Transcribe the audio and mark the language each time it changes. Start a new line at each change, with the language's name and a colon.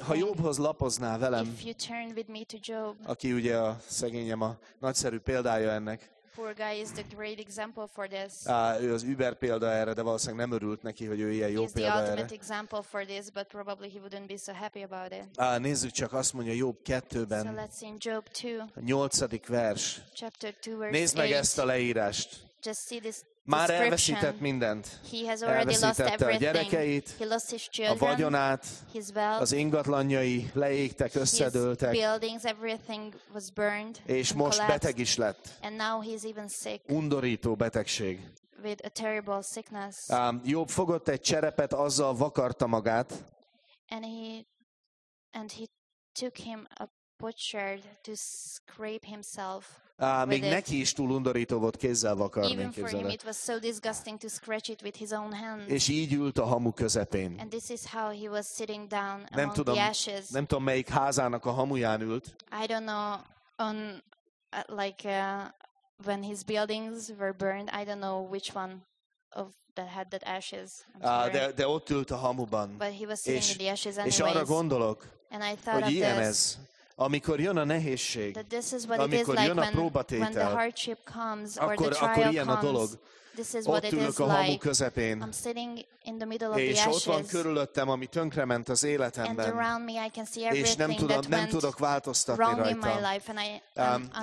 Hungarian: Ha Jobhoz lapoznál velem,
English: if you turn with me to Job,
Hungarian: aki ugye a szegényem a nagyszerű példája ennek.
English: Poor guy is the great example for this.
Hungarian: Ő az über példa erre, de valószínűleg nem örült neki, hogy ő ilyen jó példa erre.
English: He's the ultimate example for this, but probably he wouldn't be so happy about it.
Hungarian: Nézzük csak, azt mondja Job 2-ben.
English: So let's see in Job 2.
Hungarian: A 8. vers.
English: Chapter 2, verse 8.
Hungarian: Nézd meg ezt a leírást.
English: Just see this.
Hungarian: Már elveszített mindent.
English: He has already lost everything.
Hungarian: A gyerekeit,
English: he lost his children,
Hungarian: a vagyonát,
English: his wealth,
Hungarian: az ingatlanjai leégtek, összedőltek.
English: His buildings, everything was burned,
Hungarian: és most beteg is lett.
English: And now he's even sick.
Hungarian: Undorító betegség.
English: With a terrible sickness.
Hungarian: Jobb fogott egy cserepet, azzal vakarta magát.
English: And he took him a butchered to scrape himself.
Hungarian: Még neki is túl undorító volt kézzel vakarni.
English: Even for him it was so disgusting to scratch it with his own hands.
Hungarian: És így ült a hamu közepén.
English: And this is how he was sitting down among the ashes.
Hungarian: Nem tudom, melyik házának a hamuján ült.
English: I don't know on like when his buildings were burned. I don't know which one of that had that ashes.
Hungarian: De ott ült a hamuban.
English: But he was sitting in the ashes anyways.
Hungarian: És arra gondolok, hogy ilyen ez. Amikor jön a nehézség, amikor jön a próbatétel, akkor ilyen a dolog. Ott ülök a hamu közepén, és ott van körülöttem, ami tönkrement az életemben, és nem tudok változtatni rajta.